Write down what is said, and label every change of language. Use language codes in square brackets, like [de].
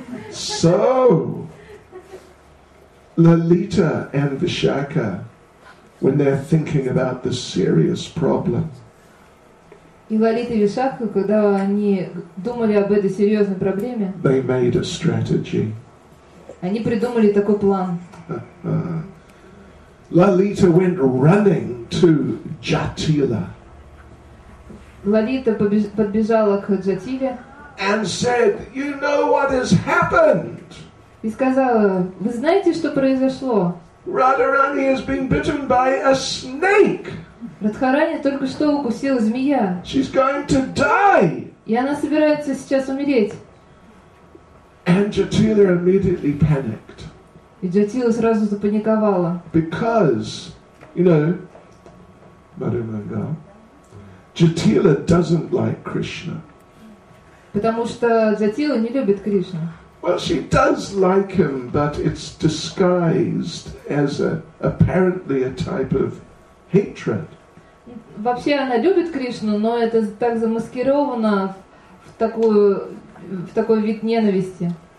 [en] So, Lalita and Vishakha, when they're thinking about the serious problem. [ru] И Лалита и Вишакха, когда они думали об этой серьезной проблеме, [en] they made a strategy. [ru] Они придумали такой план. [en] Лалита went running to Jatila. [ru] Лалита подбежала к Джатиле. [en] And said, "You know what has happened?" [ru] И сказала, вы знаете, что произошло? [en] Radharani has been bitten by a snake. [ru] Радхарани только что укусила змея. [en] She's going to die. [ru] И она собирается сейчас умереть. [en] And Jatila immediately panicked. [ru] И Джатила сразу запаниковала. [en] Because, you know, Madhu Mangal, Jatila doesn't like Krishna. [ru] Потому что Джатила не любит Кришну. [en] Well, she does like him, but it's disguised as a apparently a type of hatred. [ru] Вообще она любит Кришну, но это так замаскировано в такой вид ненависти.